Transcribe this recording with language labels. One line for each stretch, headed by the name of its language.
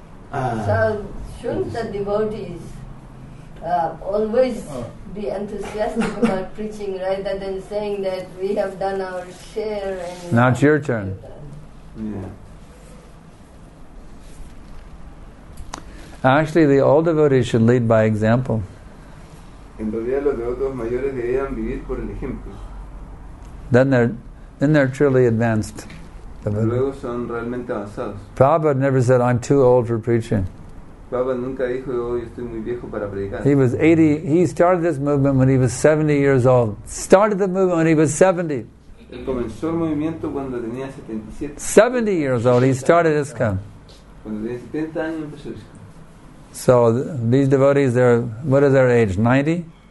English: So shouldn't the devotees always be enthusiastic about preaching rather than saying that we have done our share? And now it's your turn. Yeah. Actually, the old devotees should lead by example.
Spanish: En realidad, los devotos mayores deberían vivir por el ejemplo.
English: Then they're truly advanced.
Spanish: Luego son realmente avanzados.
English: Prabhupada never said, I'm too old for preaching.
Spanish: Prabhupada nunca dijo, yo estoy muy viejo para predicar.
English: He was 80. He started this movement when he was 70 years old. Started the movement when he was 70.
Spanish: Él comenzó el movimiento cuando tenía 77.
English: 70 years old, he started this come.
Spanish: Cuando tenía 70 años empezó esto.
English: So these devotees, they're, what is their age? 90?